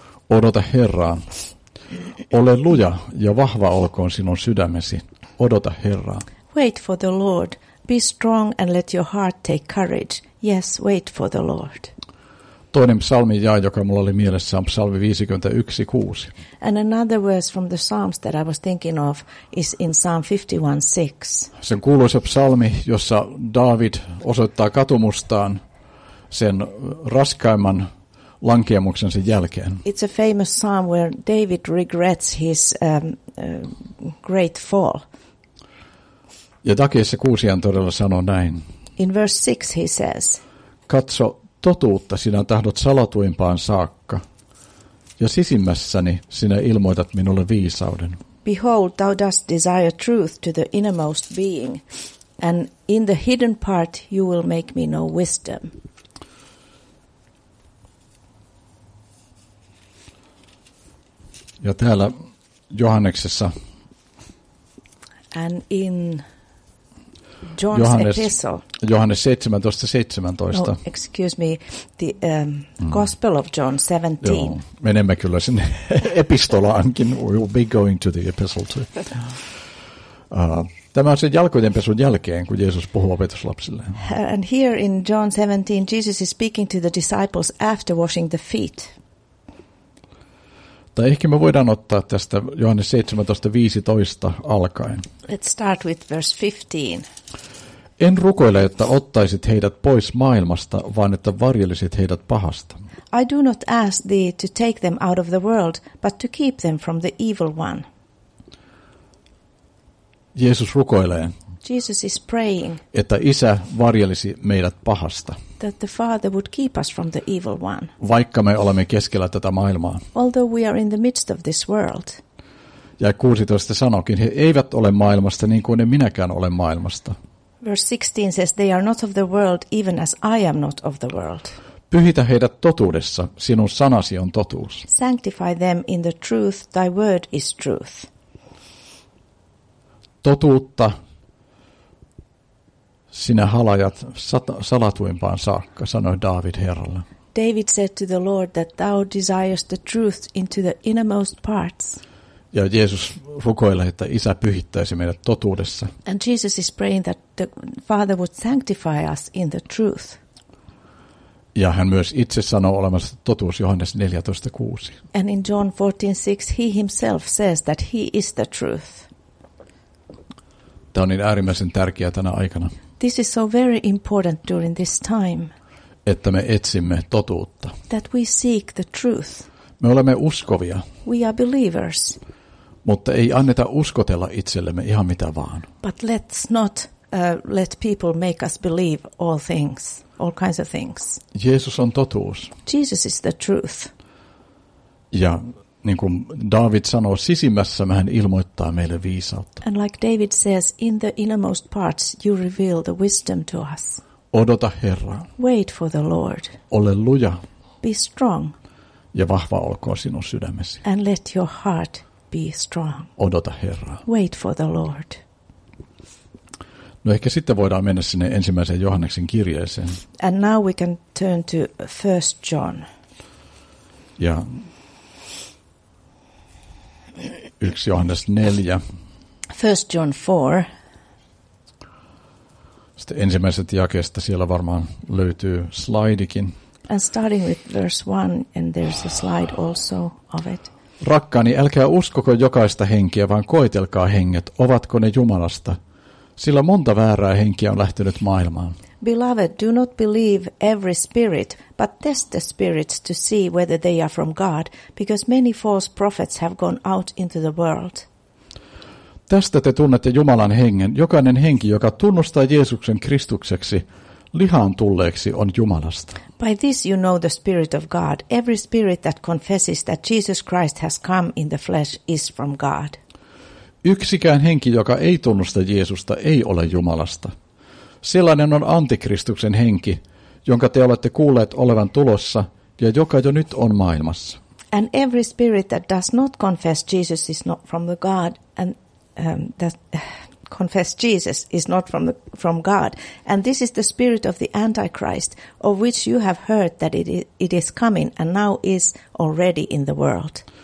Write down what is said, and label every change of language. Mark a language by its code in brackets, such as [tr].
[fi] Odota Herraa. Ole luja ja vahva olkoon sinun sydämesi. Odota Herraa. [en] Wait for the Lord. Be strong and let your heart take courage. Yes, wait for the Lord. [fi] Toinen psalmin jae, joka mulla oli mielessä, on psalmi 51:6. [en] And another verse from the Psalms that I was thinking of is in Psalm 51:6. [fi] Sen kuuluisa psalmi, jossa David osoittaa katumustaan sen raskaimman lankeemuksen sen jälkeen. [en] It's a famous psalm where David regrets his great fall. [fi] Ja takeessa kuusian todella sanoo näin. [en] In verse 6 he says. [fi] Katso totuutta, sinä tahdot salatuimpaan saakka, ja sisimmässäni sinä ilmoitat minulle viisauden. [en] Behold, thou dost desire truth to the innermost being, and in the hidden part you will make me know wisdom. [fi] Ja täällä Johanneksessa. [en] And in John's epistle. [fi] Johannes 17:17. [en] No, excuse me, the Gospel of John 17. [fi] Joo, menemme kyllä sinne epistolaankin. [en] We'll be going to the epistle too. [fi] Tämä on sen jalkojenpesun jälkeen, kun Jeesus puhuu opetuslapsille. [en] And here in John 17, Jesus is speaking to the disciples after washing the feet. [fi] Tai ehkä me voidaan ottaa tästä Johannes 17:15 alkaen. [en] Let's start with verse 15. [fi] En rukoile, että ottaisit heidät pois maailmasta, vaan että varjelisit heidät pahasta. [en] I do not ask thee to take them out of the world, but to keep them from the evil one. [fi] Jeesus rukoilee. [en] Jesus is praying. [fi] Että isä varjelisi meidät pahasta. [en] That the Father would keep us from the evil one. [fi] Vaikka me olemme keskellä tätä maailmaa. [en] Although we are in the midst of this world. [fi] Ja 16 sanokin, he eivät ole maailmasta niin kuin ne minäkään ole maailmasta. [en] Verse 16 says, they are not of the world, even as I am not of the world. [fi] Pyhitä heidät totuudessa, sinun sanasi on totuus. [en] Sanctify them in the truth, thy word is truth. [fi] Totuutta sinä halajat salatuimpaan saakka, sanoi David Herralle. [en] David said to the Lord that thou desirest the truth into the innermost parts. [fi] Ja Jeesus rukoilee, että Isä pyhittäisi meidät totuudessa. [en] And Jesus is praying that the Father would sanctify us in the truth. [fi] Ja hän myös itse sanoo olemassa totuus Johannes 14:6. [en] And in John 14:6 he himself says that he is the truth. [fi] Tämä on niin äärimmäisen tärkeää tänä aikana. [en] This is so very important during this time. [fi] Että me etsimme totuutta. [en] That we seek the truth. [fi] Me olemme uskovia. [en] We are believers. [fi] Mutta ei anneta uskotella itsellemme ihan mitä vaan. [en] But let's not let people make us believe all things, all kinds of things. [fi] Jeesus on totuus. [en] Jesus is the truth. [fi] Ja niin kuin David sanoo, sisimmässä hän ilmoittaa meille viisautta. [en] And like David says, in the innermost parts you reveal the wisdom to us. [fi] Odota Herraa. [en] Wait for the Lord. [fi] Ole luja. [en] Be strong. [fi] Ja vahva olkoon sinun sydämesi. [en] And let your heart be strong. [fi] Odota Herraa. [en] Wait for the Lord. [fi] No ehkä sitten voidaan mennä sinne ensimmäiseen Johanneksen kirjeeseen. [en] And now we can turn to 1 John. [fi] Ja 1 Johannes 4. [en] 1 John 4. [fi] Sitten ensimmäiset jakeesta siellä varmaan löytyy slaidikin. [en] And starting with verse 1 and there's a slide also of it. [fi] Rakkaani, älkää uskoko jokaista henkeä, vaan koetelkaa henget, ovatko ne Jumalasta. Sillä monta väärää henkeä on lähtenyt maailmaan. [en] Beloved, do not believe every spirit, but test the spirits to see whether they are from God, because many false prophets have gone out into the world. [fi] Tästä te tunnette Jumalan hengen. Jokainen henki, joka tunnustaa Jeesuksen Kristukseksi, lihaan tulleeksi, on Jumalasta. [en] By this you know the spirit of God. Every spirit that confesses that Jesus Christ has come in the flesh is from God. [fi] Yksikään henki, joka ei tunnusta Jeesusta, ei ole Jumalasta. Sellainen on antikristuksen henki, jonka te olette kuulleet olevan tulossa ja joka jo nyt on maailmassa. [en] And every spirit that does not confess Jesus is not from the God and that confess Jesus is not from God. And this is the spirit of the Antichrist, of which you have heard that it is coming and now is already in the world.